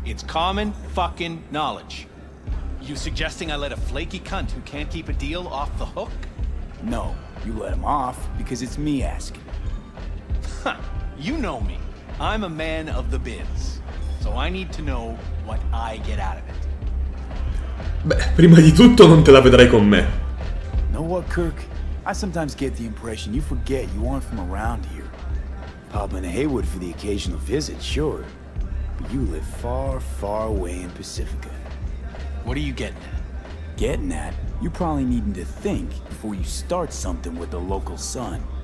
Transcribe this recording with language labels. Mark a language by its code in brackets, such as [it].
[en] It's common fucking knowledge. You suggesting I let a flaky cunt who can't keep a deal off the hook? No. You let him off, because it's me asking. Huh. You know me. I'm a man of the biz. So I need to know what I get out of it. [it] Beh, prima di tutto non te la vedrai con me. [en] Know what, Kirk? I sometimes get the impression you forget you aren't from around here. Pop into Haywood for the occasional visit, sure. But you live far, far away in Pacifica. What are you getting at? Getting at? You're probably needing to think before you start something with the local son.